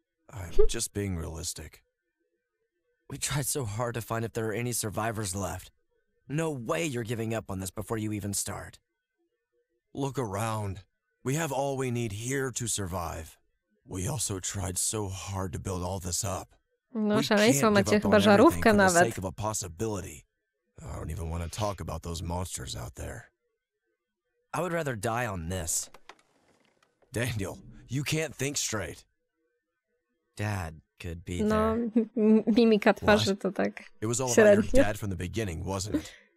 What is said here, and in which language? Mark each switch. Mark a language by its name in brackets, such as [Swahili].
[English] I'm just being realistic. We tried so hard to find if there are any survivors left. No way you're giving up on this before you even start. Look around. We have all we need here to survive. We also tried so hard to build all this up. [Polish] No, szaleństwo, macie chyba żarówkę nawet. [English] For the sake of a possibility. I don't even want to talk about those monsters out there. I would rather die on this. Daniel, you can't think straight. Dad could be there. [Polish] No, mimika twarzy to tak. [English] It was all about your dad from the beginning, wasn't it?